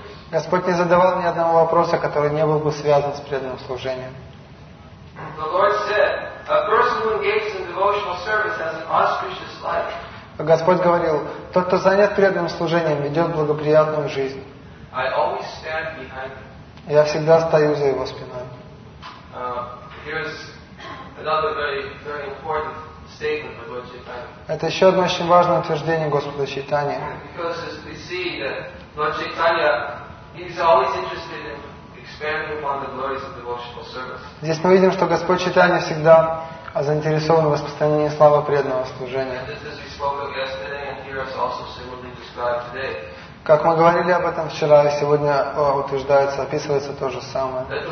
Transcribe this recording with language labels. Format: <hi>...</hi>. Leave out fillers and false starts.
<ru>Господь не задавал ни одного вопроса, который не был бы связан с преданным служением.</ru> <en>The Lord said, a person who engages in devotional service has an auspicious life.</en> <ru>Господь говорил, тот, кто занят преданным служением, ведет благоприятную жизнь.</ru> <en>I always stand behind him.</en> <ru>Я всегда стою за его спиной.</ru> <en>Here's another very, very important statement about Chaitanya.</en> <ru>Это еще одно очень важное утверждение Господа Чайтаньи.</ru> <en>Because as we see that Lord Chaitanya, he's always interested in expanding upon the glories of devotional service.</en> <ru>Здесь мы видим, что Господь Чайтанья всегда заинтересован в распространении славы преданного служения.</ru> <en>And this, as we spoke of yesterday, and here is also similarly described today.</en> <ru>Как мы говорили об этом вчера, и сегодня утверждается, описывается то же самое.</ru>